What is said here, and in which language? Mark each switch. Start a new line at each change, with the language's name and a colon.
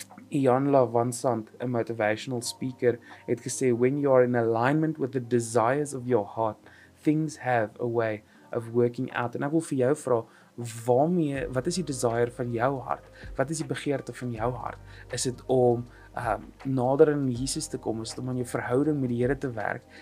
English: Ianla Vansant, a motivational speaker,
Afrikaans: het gesê,
English: when you are in alignment with the desires of your heart, things have a way of working out.
Afrikaans: En ek wil vir jou vra, waarmee, wat is die desire van jou hart? Wat is die begeerte van jou hart? Is het om nader in Jesus te kom? Is het om aan jou verhouding met die Here te werk?